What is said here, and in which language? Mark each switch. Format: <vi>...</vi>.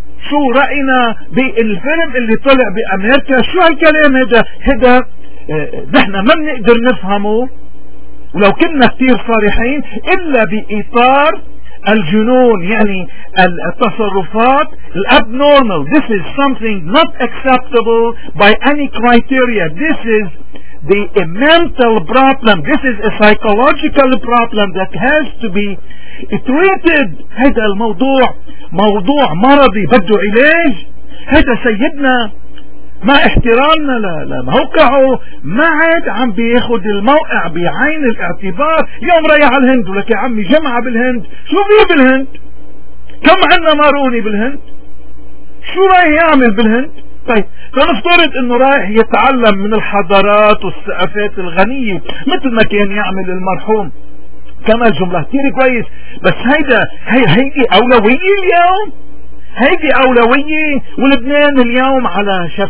<ar>شو رأينا بالفيلم اللي طلع بأمريكا؟ شو هالكلام هذا؟ هذا نحن ما بنقدر نفهمه ولو كنا كتير صريحين إلا بإطار الجنون، يعني التصرفات الابنورمال.</ar> <en>This is something not acceptable by any criteria. This is the mental problem. This is a psychological problem that has to be treated.</en> <ar>هذا الموضوع موضوع مرضي بده علاج. هذا سيدنا ما احترامنا لموقعه ما عاد عم بياخد الموقع بعين الاعتبار. يوم رايح على الهند ولك يا عمي جمعة بالهند، شو فيه بالهند؟ كم عنا ماروني بالهند؟ شو رايح يعمل بالهند؟ طيب فنفترض انه رايح يتعلم من الحضارات والثقافات الغنية مثل ما كان يعمل المرحوم كمال جملة كتير كويس، بس هيدا هيدي اولوية اليوم؟ هيدي اولوية؟ ولبنان اليوم على</ar>